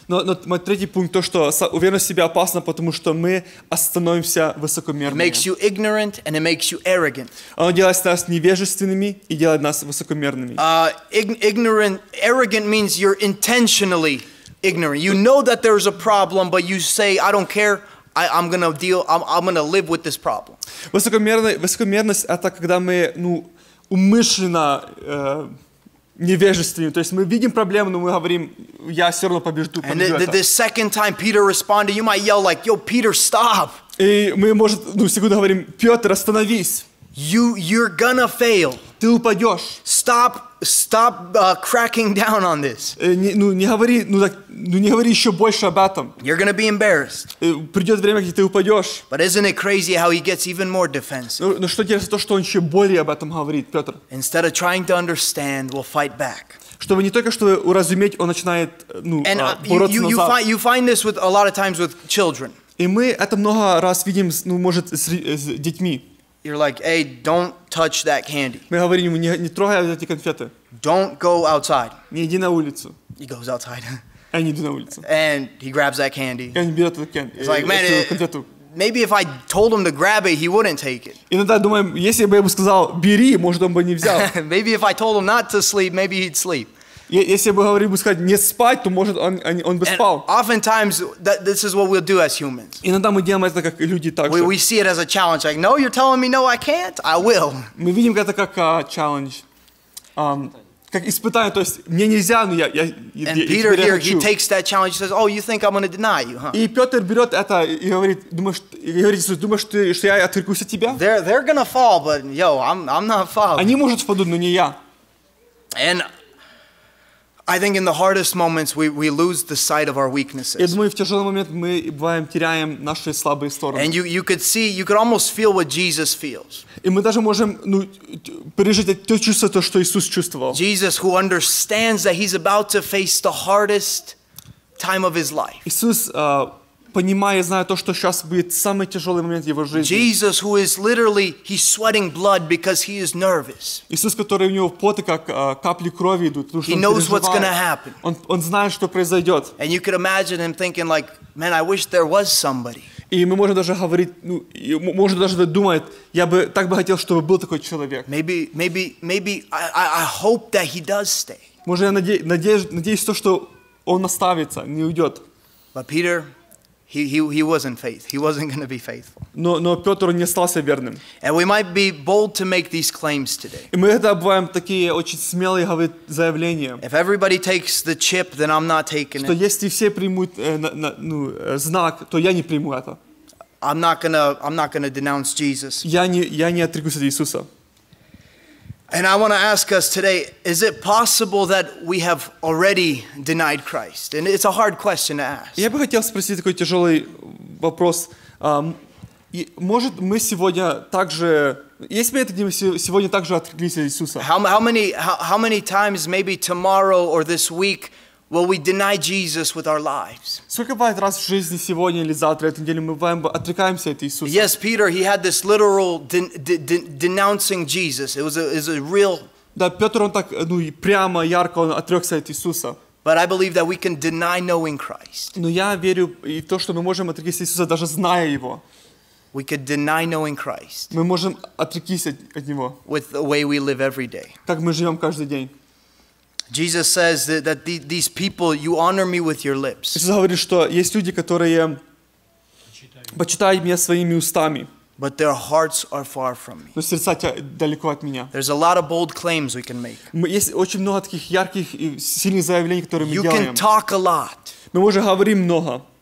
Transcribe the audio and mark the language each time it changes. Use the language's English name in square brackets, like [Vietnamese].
[Russian] Но мой третий пункт то, что уверенность в себе опасна, потому что мы становимся высокомерными. [English] It makes you ignorant and it makes you arrogant. [Russian] Оно делает нас невежественными и делает нас высокомерными. [English] Ignorant, arrogant means you're intentionally ignorant. You know that there's a problem, but you say, I don't care. I'm gonna live with this problem. [Russian] Высокомерность это когда мы, ну, умышленно невежественны. То есть мы видим проблему, но мы говорим, я все равно побежду. [English] And the second time Peter responded, you might yell like, yo, Peter, stop. [Russian] И мы, может, ну, секунду говорим, Петр, остановись. [English] You're gonna fail. [Russian] ты упадешь. [English] Stop cracking down on this. [Russian] Не говори еще больше об этом. [English] You're gonna be embarrassed. [Russian] Придет время, где ты упадешь. [English] But isn't it crazy how he gets even more defensive? [Russian] Ну что делать, то что он еще более об этом говорит, Петр. [English] Instead of trying to understand, we'll fight back. [Russian] Чтобы не только чтобы уразуметь, он начинает бороться назад. И мы это много раз видим, ну может с детьми. [English] You're like, hey, don't touch that candy. [Russian] Мы говорим ему, не трогай эти конфеты. [English] Don't go outside. [Russian] Не иди на улицу. [English] He goes outside. [Russian] Они идут на улицу. [English] And he grabs that candy. [Russian] И они берут эту конфету. [English] He's like, man, maybe if I told him to grab it, he wouldn't take it. [Russian] Иногда думаем, если бы я ему сказал, бери, может он бы не взял. [English] Maybe if I told him not to sleep, maybe he'd sleep. [Russian] Если бы говорил бы сказать не спать, то может он бы спал. [English] Oftentimes this is what we'll do as humans. [Russian] Иногда мы делаем это как люди также. [English] We see it as a challenge, like, no, you're telling me no, I can't, I will. [Russian] Мы видим это как challenge, как испытание, то есть мне нельзя, но я [English] And Peter here, he takes that challenge, says, oh, you think I'm going to deny you, huh? [Russian] И Петр берет это и говорит, думаешь, что я отрекусь от тебя? [English] They're going to fall, but yo, I'm not falling. [Russian] Они могут спадуть, но не я. [English] And I think in the hardest moments we lose the sight of our weaknesses. [Russian] Я думаю, в тяжелый момент мы бываем теряем наши слабые стороны. [English] And you could see, you could almost feel what Jesus feels. [Russian] И мы даже можем пережить то чувство, то что Иисус чувствовал. [English] Jesus, who understands that he's about to face the hardest time of his life. [Russian] Иисус понимая, зная то, что сейчас будет самый тяжелый момент его жизни. [English] Jesus, who is literally, he's sweating blood because he is nervous. [Russian] Иисус, который у него в поте как капли крови идут, потому что [English] he knows what's going to happen. [Russian] Он знает, что произойдет. [English] And you could imagine him thinking like, man, I wish there was somebody. [Russian] И мы можем даже говорить, думать, я бы так бы хотел, чтобы был такой человек. [English] Maybe I hope that he does stay. [Russian] Может, я надеюсь то, что он оставится, не уйдет. [English] But Peter, He wasn't faith. He wasn't going to be faithful. [Russian] Но Петр не остался верным. [English] And we might be bold to make these claims today. [Russian] И мы это обваем такие очень смелые говорить заявления. [English] If everybody takes the chip, then I'm not taking [Russian] что Что если все примут знак, то я не приму это. [English] I'm not gonna denounce Jesus. [Russian] Я не отрекусь от Иисуса. [English] And I want to ask us today, is it possible that we have already denied Christ? And it's a hard question to ask. [Russian] Я бы хотел спросить такой тяжелый вопрос. Может, мы сегодня также, если мы сегодня также отреклись от Иисуса? [English] How many times, maybe tomorrow or this week, will we deny Jesus with our lives? [Russian] Сколько бывает раз в жизни сегодня или завтра, этой неделе, мы отрекаемся от Иисуса? [English] Yes, Peter, he had this literal denouncing Jesus. It was a real... [Russian] Да, Петр, он так, прямо, ярко, он отрекся от Иисуса. [English] But I believe that we can deny knowing Christ. [Russian] Но я верю и то, что мы можем отрекиться от Иисуса, даже зная Его. [English] We could deny knowing Christ. [Russian] Мы можем отрекиться от Него. [English] With the way we live every day. [Russian] Как мы живем каждый день. [English] Jesus says that these people, you honor me with your lips. [Russian] Иисус говорит, что есть люди, которые почитают меня своими устами. [English] But their hearts are far from me. [Russian] Но сердца далеко от меня. [English] There's a lot of bold claims we can make. [Russian] Есть очень много таких ярких и сильных заявлений, которые мы делаем. [English] You can talk a lot. [Russian] Мы можем говорить много.